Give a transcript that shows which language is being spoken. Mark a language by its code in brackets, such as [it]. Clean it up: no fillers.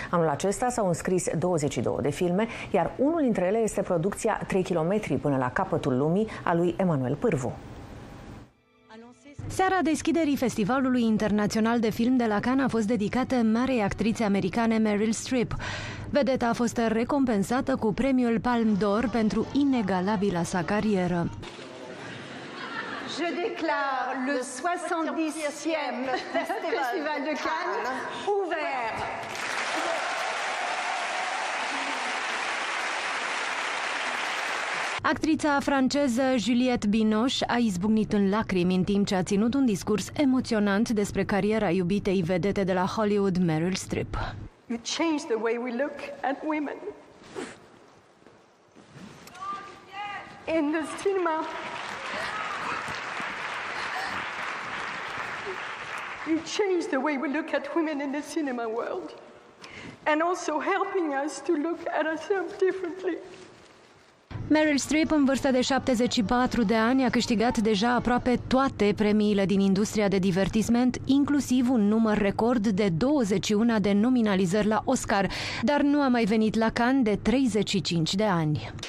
[ro] Anul acesta s-au înscris 22 de filme, iar unul dintre ele este producția 3 km până la capătul lumii a lui Emanuel Pârvu. Seara deschiderii Festivalului Internațional de Film de la Cannes a fost dedicată marei actrițe americane Meryl Streep. Vedeta a fost recompensată cu premiul Palme d'Or pentru inegalabila sa carieră. [fr] Je déclare le 70e Festival de Cannes ouvert. [ro] Actrița franceză Juliette Binoche a izbucnit în lacrimi în timp ce a ținut un discurs emoționant despre cariera iubitei vedete de la Hollywood, Meryl Streep. [en] You change the way we look at women. In the cinema. You change the way we look at women in the cinema world. And also helping us to look at ourselves differently. [ro] Meryl Streep, în vârstă de 74 de ani, a câștigat deja aproape toate premiile din industria de divertisment, inclusiv un număr record de 21 de nominalizări la Oscar, dar nu a mai venit la Cannes de 35 de ani.